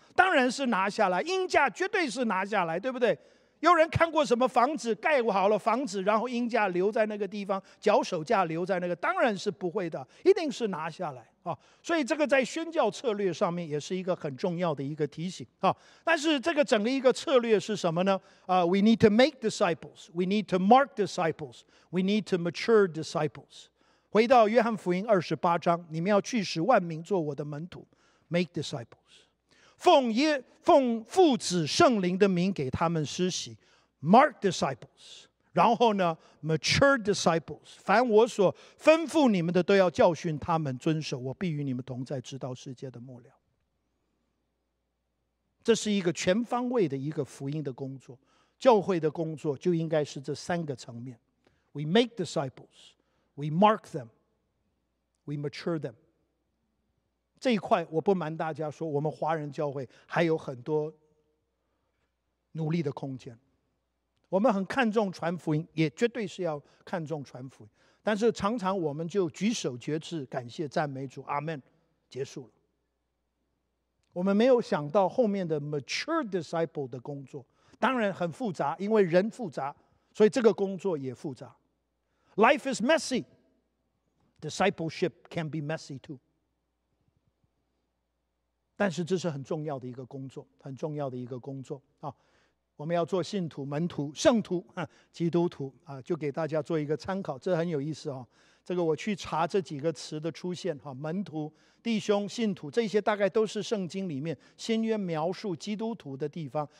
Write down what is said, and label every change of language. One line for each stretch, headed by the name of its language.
Chinese: 当然是拿下来，鹰架绝对是拿下来，对不对？有人看过什么房子盖好了房子，然后鹰架留在那个地方，脚手架留在那个，当然是不会的，一定是拿下来啊。所以这个在宣教策略上面也是一个很重要的一个提醒啊。但是这个整个一个策略是什么呢？
English: We need to make disciples, we need to mark disciples, we need to mature disciples.
Chinese: 回到约翰福音二十八章，你们要去使万民做我的门徒 ，
English: make disciples.
Chinese: 奉父子圣灵的名给他们施洗 ，
English: mark disciples，
Chinese: 然后呢 ，
English: mature disciples，
Chinese: 凡我所吩咐你们的，都要教训他们遵守。我必与你们同在，直到世界的末了。这是一个全方位的一个福音的工作，教会的工作就应该是这三个层面 ：
English: we make disciples， we mark them， we mature them。
Chinese: 这一块我不瞒大家说，我们华人教会还有很多努力的空间。我们很看重传福音，也绝对是要看重传福音，但是常常我们就举手决志，感谢赞美主，阿们，结束了。我们没有想到后面的
English: mature disciple
Chinese: 的工作，当然很复杂，因为人复杂，所以这个工作也复杂。
English: Life is messy, discipleship can be messy too.
Chinese: 但是这是很重要的一个工作，很重要的一个工作啊！我们要做信徒、门徒、圣徒、基督徒啊，就给大家做一个参考，这很有意思啊。这个我去查这几个词的出现哈，门徒、弟兄、信徒，这些大概都是圣经里面新约描述基督徒的地方。